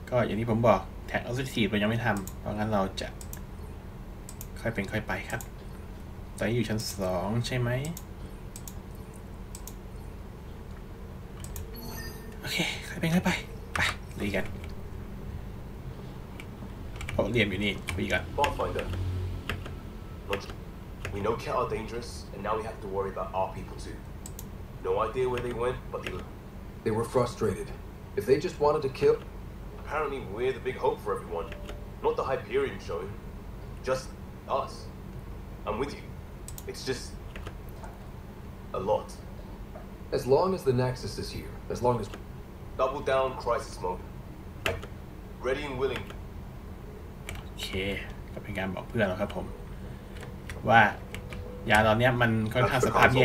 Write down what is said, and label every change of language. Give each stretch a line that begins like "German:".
Thai: างที่ผมบอกแท็กออสซิสีเรายังไม่ทำเพราะงั้นเราจะค่อยเป็นค่อยไปครับตอนนี้อยู่ชั้น2ใช่ไหมโอเคค่อยเป็นค่อยไปดีกันเพราะเรียนอยู่นี่ดีกัน
English: Pathfinder Look We know cat are dangerous and now we have to worry about our people too No idea where they went but they were frustrated If they just wanted to kill Apparently we're the big hope for everyone Not the Hyperion show Just us I'm with you It's just A lot As long as the Nexus is here As long as Double down crisis modeready and willing
Thai: โอเคก็เป็นการบอกเพื่อนแล้วครับผมว่ายาตอนนี้มันค่อนข้างสภาพแย